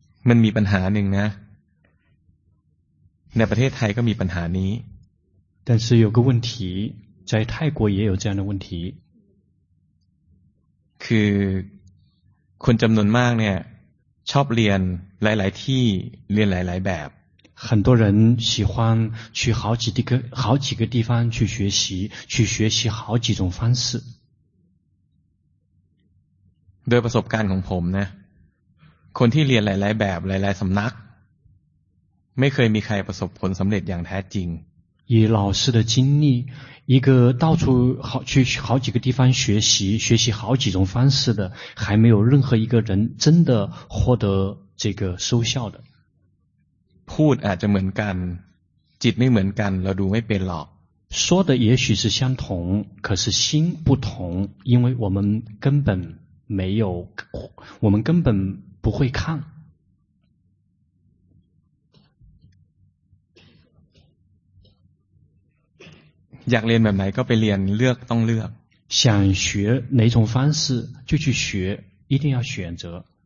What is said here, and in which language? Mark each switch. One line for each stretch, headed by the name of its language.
Thai: มันมีปัญหาหนึ่งนะในประเทศไทยก็มีปัญหานี้
Chinese: 但是有个问题在泰国也有这样的问题
Thai: คือคนจำนวนมากเนี่ย ชอบเรียนหลายๆที่เรียนหลายๆแบบ
Chinese: 很多人喜欢去好几个地方去学习，去学习好几种方式。
Thai: โดยประสบการณ์ของผมนะคนที่เรียนหลายๆแบบหลายๆสำนักไม่เคยมีใครประสบผลสำเร็จอย่างแท้จริง
Chinese: 以老师的经历，一个到处好去好几个地方学习，学习好几种方式的，还没有任何一个人真的获得这个收效的。
Thai: พูดอาจจะเหมือนกันจิตไม่เหมือนกันเราดูไม่เป็นหรอก
Chinese: 说的也许是相同可是心不同因为我们根本没有我们根本不会看
Thai: อยากเรียนแบบไหนก็ไปเรียนเลือกต้องเลือก
Chinese: 想学哪种方式就去学一定要选择